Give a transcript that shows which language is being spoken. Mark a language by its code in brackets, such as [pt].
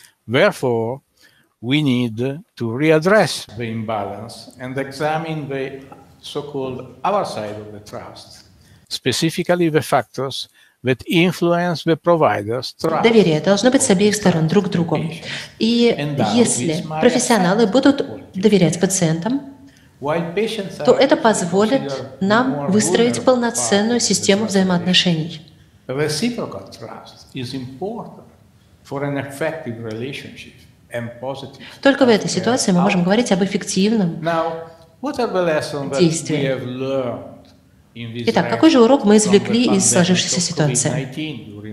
[en] Therefore, we need to readdress the imbalance and examine the so-called other side of the trust, specifically the factors that influence the provider's trust. [ru] Доверие должно быть с обеих сторон друг к другу. И если профессионалы будут доверять пациентам, то это позволит нам выстроить полноценную систему взаимоотношений. [en] Reciprocal trust is important for an effective relationship and positive. [ru] Только в этой ситуации мы можем говорить об эффективном действии. Итак, какой же урок мы извлекли из сложившейся ситуации?